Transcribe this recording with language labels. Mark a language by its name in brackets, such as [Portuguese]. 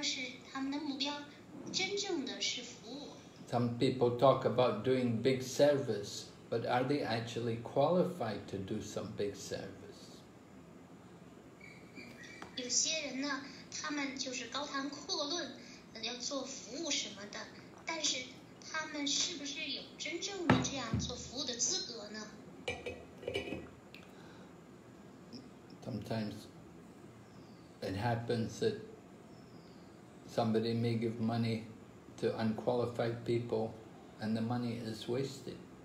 [Chinese] 所以您说的话确实是里面也有一些真理的当有人呢就过来想要钱的时候我们自然而然的就会有起一些疑心我们要确保他们是真心真意的从事服务并且他们的目标真正的是服务 [English] Some people talk about doing big service, but are they actually qualified to do some big service? [Chinese] 有些人呢，他们就是高谈阔论，要做服务什么的，但是他们是不是有真正的这样做服务的资格呢？ [English] Sometimes it happens that somebody may give money to unqualified people, and the money is wasted.